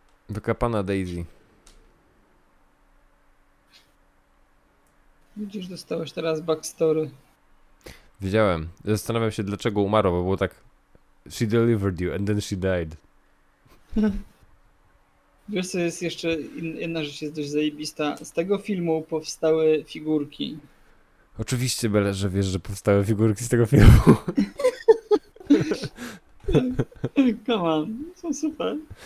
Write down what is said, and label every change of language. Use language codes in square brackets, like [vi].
[pl] Wykapana Daisy. Widzisz, dostałeś teraz backstory. Wiedziałem. Zastanawiam się, dlaczego umarł, bo było tak... [en] She delivered you and then she died. [pl] Wiesz, co jest jeszcze jedna rzecz, jest dość zajebista. Z tego filmu powstały figurki. Oczywiście, Bela, że wiesz, że powstały figurki z tego filmu. [en] Come on, [pl] są super.